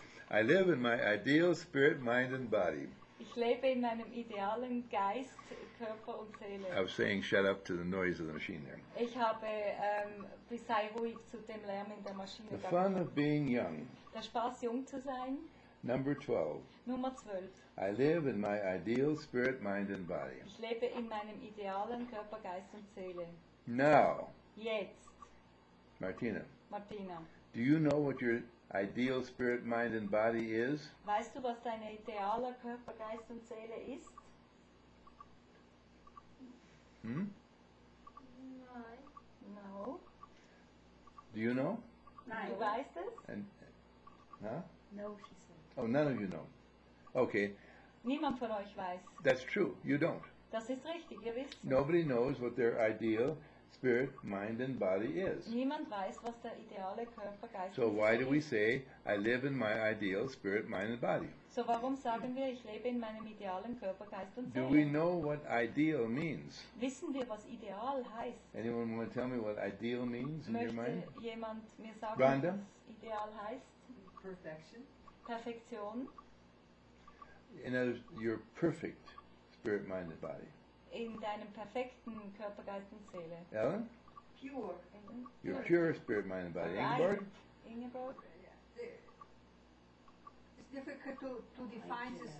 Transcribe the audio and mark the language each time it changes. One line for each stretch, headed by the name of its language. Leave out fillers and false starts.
English: I live in my ideal spirit, mind and body.
German: Ich lebe in meinem idealen Geist, Körper und Seele.
English: I was saying shut up to the noise of the machine there.
German: Ich habe sei ruhig zu dem Lärm in der Maschine.
English: The fun of being young.
German: Der Spaß, jung zu sein.
English: Number 12.
German: Nummer 12.
English: I live in my ideal spirit, mind and body.
German: Ich lebe in meinem idealen Körper, Geist und Seele.
English: Now.
German: Jetzt.
English: Martina.
German: Martina.
English: Do you know what your ideal spirit, mind and body is?
German: Weißt du, was dein idealer Körper, Geist und Seele ist? Hm? Nein.
English: No. Do you know?
German: Nein. Du weißt es?
English: And, huh? No, she said. Oh, none of you know. Okay.
German: Niemand von euch weiß.
English: That's true. You don't.
German: Das ist richtig. Ihr wisst.
English: Nobody knows what their ideal spirit, mind and body is.
German: Niemand weiß, was der ideale Körper, Geist ist.
English: So why do we say I live in my ideal spirit, mind and body?
German: So warum sagen wir, ich lebe in meinem idealen Körper, Geist und Seele?
English: Do we know what ideal means?
German: Wissen wir, was ideal heißt?
English: Anyone want to tell me what ideal means in
German: Möchte
English: your mind?
German: Möchte jemand mir sagen, Rhonda? Was ideal heißt?
English: Perfection.
German: Perfektion.
English: In other words, you're perfect spirit, mind and body.
German: In deinem perfekten Körper, Geist und Seele.
English: Ellen? Pure. Ellen? You're pure spirit, mind and body. Ingeborg?
German: Ingeborg?
English: It's difficult to define this.